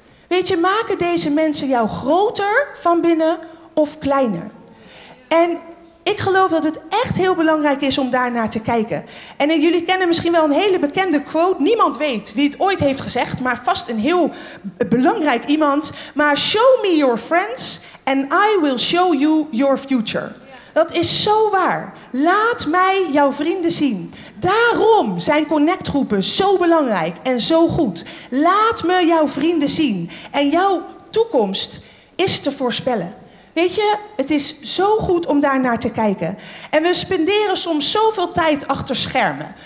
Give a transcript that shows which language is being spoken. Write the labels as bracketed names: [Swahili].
[Dutch] Weet je, maken deze mensen jou groter van binnen of kleiner? En ik geloof dat het echt heel belangrijk is om daar naar te kijken. En jullie kennen misschien wel een hele bekende quote. Niemand weet wie het ooit heeft gezegd, maar vast een heel belangrijk iemand. [English] Maar show me your friends and I will show you your future. [Dutch] Dat is zo waar. Laat mij jouw vrienden zien. Daarom zijn connectgroepen zo belangrijk en zo goed. Laat me jouw vrienden zien. En jouw toekomst is te voorspellen. Weet je, het is zo goed om daar naar te kijken. En we spenderen soms zoveel tijd achter schermen.